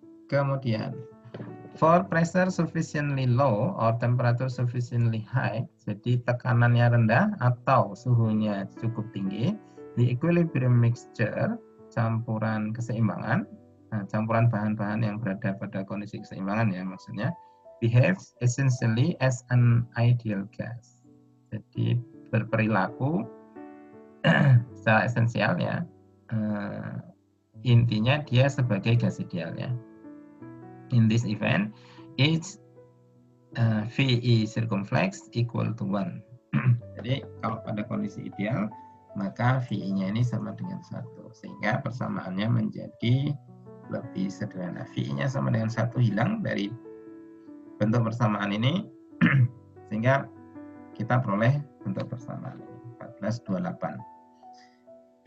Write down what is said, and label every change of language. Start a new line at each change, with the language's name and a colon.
Indonesian: Kemudian,
English: for pressure sufficiently low or temperature sufficiently high,
Indonesian: jadi tekanannya rendah atau suhunya cukup tinggi,
English: the equilibrium mixture,
Indonesian: campuran keseimbangan, nah, campuran bahan-bahan yang berada pada kondisi keseimbangan ya maksudnya,
English: behaves essentially as an ideal gas.
Indonesian: Jadi berperilaku secara esensial ya, intinya dia sebagai gas ideal ya.
English: In this event, its VE circumflex equal to 1.
Indonesian: Jadi kalau pada kondisi ideal, maka VE-nya ini sama dengan 1. Sehingga persamaannya menjadi lebih sederhana. VE-nya sama dengan 1 hilang dari bentuk persamaan ini. Sehingga kita peroleh bentuk persamaan ini. 14,28.